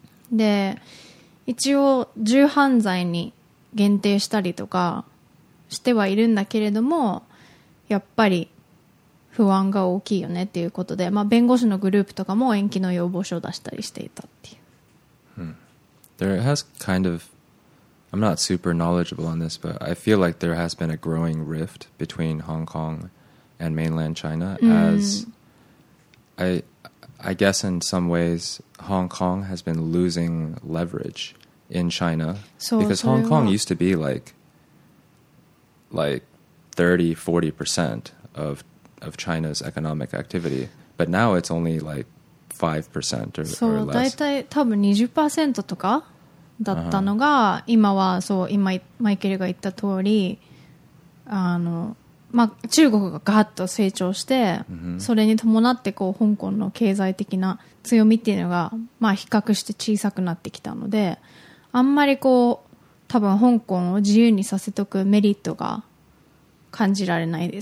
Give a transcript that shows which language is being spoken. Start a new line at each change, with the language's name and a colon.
Japanese: で、一応重犯罪に限定したりとか、してはいるんだけれども、やっぱり不安が大きいよねっていうことで、まあ、弁護士のグループとかも延期の要望書を出したりしていたっていう。
English: There has kind of, I'm not super knowledgeable on this, but I feel like there has been a growing rift between Hong Kong and mainland China as I guess in some ways Hong Kong has been losing leverage in China because Hong Kong used to be like 30-40% of China's economic activity, but now it's only like 5% or less.
Japanese: そう、だいたい多分 20% とかだったのが、今はそう、今マイケルが言った通り、あの、まあ、中国がガッと成長して、それに伴ってこう香港の経済的な強みっていうのが、まあ、比較して小さくなってきたので、あんまりこう多分香港を自由にさせとくメリットが感じられない。